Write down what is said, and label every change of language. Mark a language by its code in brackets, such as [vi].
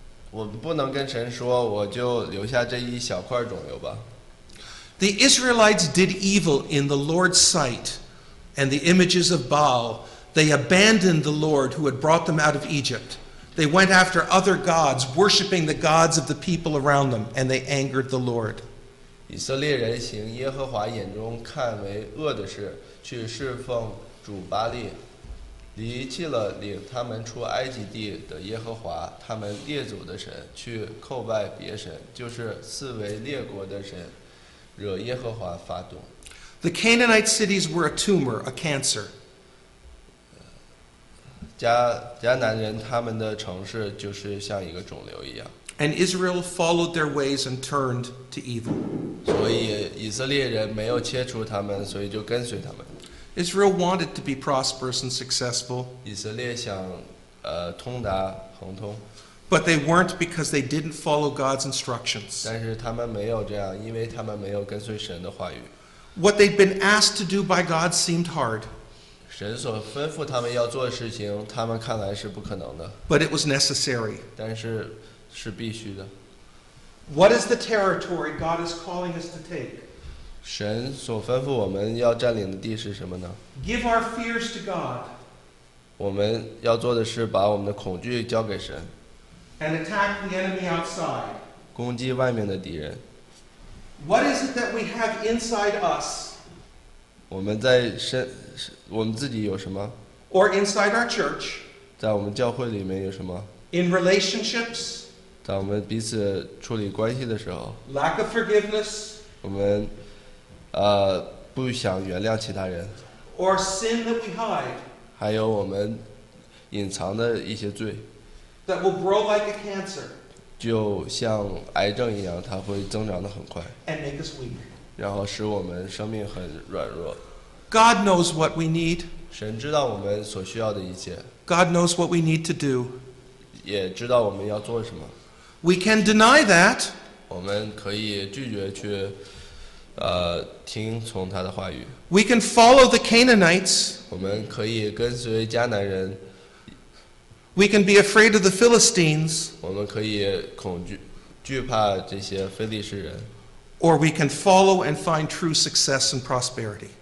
[zh] 我不能跟神说，我就留下这一小块肿瘤吧。 [en] The Israelites did evil in the Lord's sight, and the images of Baal. They abandoned the Lord who had brought them out of Egypt. They went after other gods, worshiping the gods of the people around them, and they angered the Lord. [zh] 以色列人行耶和华眼中看为恶的事，去侍奉主巴利，离弃了领他们出埃及地的耶和华，他们列祖的神，去叩拜别神，就是四维列国的神，惹耶和华发怒。 [en] The Canaanite cities were a tumor, a cancer. [zh] 迦南人他们的城市就是像一个肿瘤一样。 [en] And Israel followed their ways and turned to evil. [zh] 所以以色列人没有切除他们，所以就跟随他们。 [en] Israel wanted to be prosperous and successful. [zh] 以色列想通达亨通。 [en] But they weren't because they didn't follow God's instructions. [zh] 但是他们没有这样，因为他们没有跟随神的话语。 [en] What they'd been asked to do by God seemed hard. [zh] 神所吩咐他们要做的事情，他们看来是不可能的。 [en] But it was necessary. [zh] 但是是必须的。 [en] What is the territory God is calling us to take? [zh] 神所吩咐我们要占领的地是什么呢？ [en] Give our fears to God. [zh] 我们要做的是把我们的恐惧交给神。 [en] And attack the enemy outside. [zh] 攻击外面的敌人。 [en] What is it that we have inside us? [zh] 我们在身我们自己有什么？ [en] Or inside our church. [zh] 在我们教会里面有什么？ [en] In relationships. [zh] 在我们彼此处理关系的时候。 [en] Lack of forgiveness. [zh] 我们不想原谅其他人。 [en] Or sin that we hide. [zh] 还有我们隐藏的一些罪。 [en] That will grow like a cancer. [zh] 就像癌症一样，它会增长得很快。 [en] And make us weak. [zh] 然后使我们生命很软弱。 [en] God knows what we need. [zh] 神知道我们所需要的一切。 [en] God knows what we need to do. [zh] 也知道我们要做什么。 [en] We can deny that. [zh] 我们可以拒绝去听从他的话语。 [en] We can follow the Canaanites. [zh] 我们可以跟随迦南人。 [en] We can be afraid of the Philistines. [zh] 我们可以恐惧，惧怕这些非利士人。 [en] Or we can follow and find true success and prosperity.